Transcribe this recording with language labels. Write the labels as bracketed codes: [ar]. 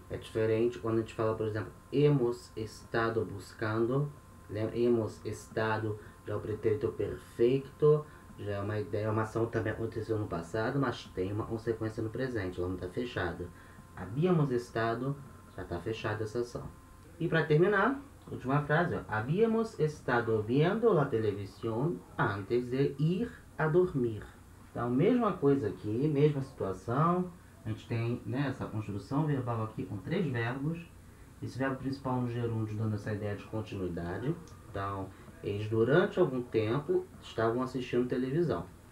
[pt] É diferente quando a gente fala, por exemplo, [es] hemos estado buscando. [pt] Lembra? [es] Hemos estado [pt] já é o pretérito perfeito. Já é uma ideia, uma ação também aconteceu no passado, mas tem uma consequência no presente. Ela não está fechada. [es] Habíamos estado, [pt] já está fechada essa ação. E para terminar, última frase. Ó. [es] Habíamos estado vendo la televisión antes de ir a dormir. [pt] Então, mesma coisa aqui, mesma situação. A gente tem, né, essa construção verbal aqui com três verbos. Esse verbo principal no gerúndio dando essa ideia de continuidade. Então, eles durante algum tempo estavam assistindo televisão.